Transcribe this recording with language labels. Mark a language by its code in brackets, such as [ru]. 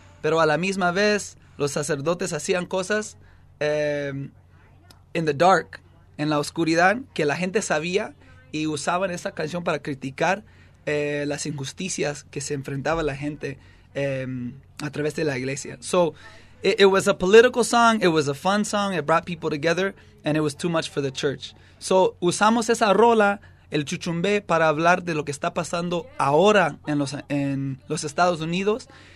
[es] Pero a la misma vez, los sacerdotes hacían cosas [en] in the dark, [es] en la oscuridad, que la gente sabía y usaban esa canción para criticar las injusticias que se enfrentaba la gente a través de la iglesia. [en] So, it was a political song, it was a fun song, it brought people together, and it was too much for the church. [es] So, usamos esa rola, el chuchumbé, para hablar de lo que está pasando ahora en los Estados Unidos.